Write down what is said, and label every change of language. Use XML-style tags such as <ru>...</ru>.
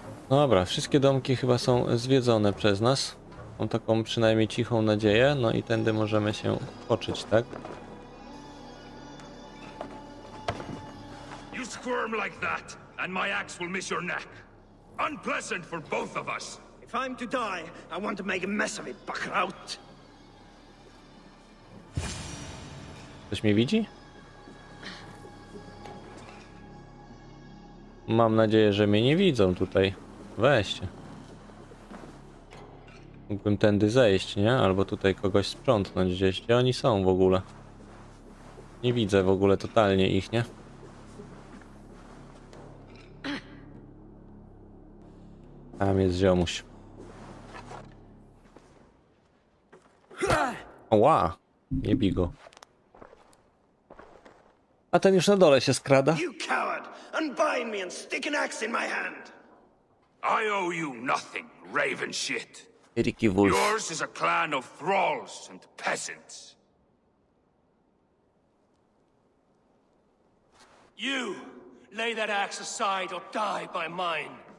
<pl>Dobra, wszystkie domki chyba są zwiedzone przez nas. Mam taką przynajmniej cichą nadzieję. No i tędy możemy się poczuć, tak?</pl> <en>Squirm like that, and my axe will miss your neck. Unpleasant for both of us. If I'm to die, I want to make a mess of it, Bachraut.</en> <pl>Ktoś mnie widzi? Mam nadzieję, że mnie nie widzą tutaj. Weźcie. Mógłbym tędy zejść, nie? Albo tutaj kogoś sprzątnąć gdzieś. Gdzie oni są w ogóle? Nie widzę w ogóle totalnie ich, nie? Tam jest ziomuś. Ła! Nie bij go. A ten już na dole się skrada.</pl> <en>You coward! Unbind me and stick an axe in my hand. I owe you nothing, raven shit. Ricky Wolf. Yours is a clan of thralls and peasants. You lay that axe aside or die by mine.</en>